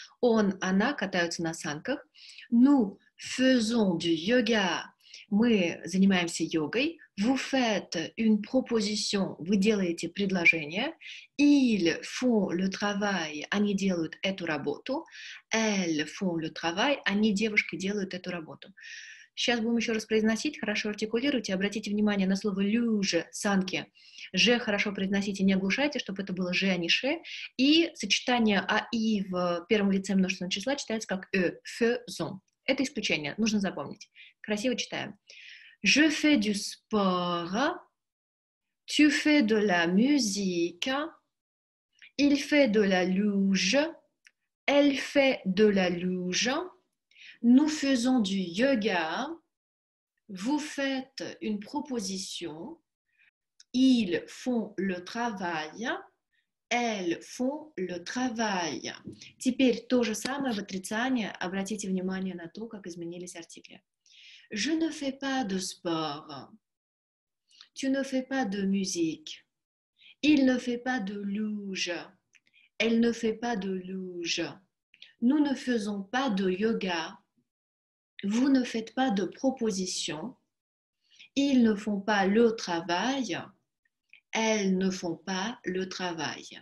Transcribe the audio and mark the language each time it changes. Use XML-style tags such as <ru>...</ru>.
<ru>On, она катаются на санках.</ru> <fr>Nous faisons du yoga.</fr> <ru>Мы занимаемся йогой.</ru> <fr>Vous faites une proposition, vous</fr> <ru>делаете предложение.</ru> <fr>Ils font le travail,</fr> <ru>они делают эту работу.</ru> <fr>Elles font le travail,</fr> <ru>они девушки делают эту работу. Сейчас будем еще раз произносить, хорошо артикулируйте, обратите внимание на слово люже, санки. Же хорошо произносите, не оглушайте, чтобы это было же, а не ше. И сочетание аи в первом лице множественного числа читается как э, faisons. Это исключение, нужно запомнить. Красиво читаем.</ru> <fr>Je fais du sport, tu fais de la musique, il fait de la luge, elle fait de la luge, nous faisons du yoga, vous faites une proposition, ils font le travail, elles font le travail.</fr> <ru>Теперь то же самое в отрицании. Обратите внимание на то, как изменились артикли.</ru> <fr>Je ne fais pas de sport. Tu ne fais pas de musique. Il ne fait pas de luge. Elle ne fait pas de luge. Nous ne faisons pas de yoga. Vous ne faites pas de proposition. Ils ne font pas le travail. Elles ne font pas le travail.</fr>